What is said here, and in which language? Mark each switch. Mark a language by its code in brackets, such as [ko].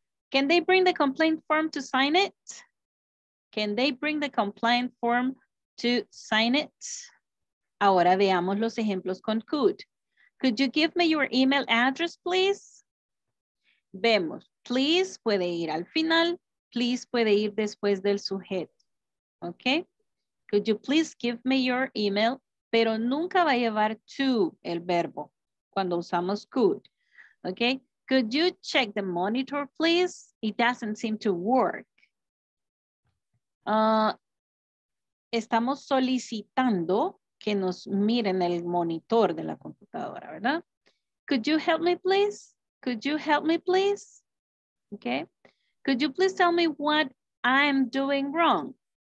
[en] Can they bring the complaint form to sign it? Can they bring the complaint form to sign it? [es] Ahora veamos los ejemplos con could. [en] Could you give me your email address, please? [es] Vemos, please puede ir al final, please puede ir después del sujeto, ¿ok? [en] Could you please give me your email? [es] Pero nunca va a llevar to el verbo cuando usamos could, ¿ok? [en] Could you check the monitor, please? It doesn't seem to work. [es] Estamos solicitando que nos miren el monitor de la computadora, ¿verdad? [en] Could you help me, please? Could you help me, please? Okay. Could you please tell me what I'm doing wrong?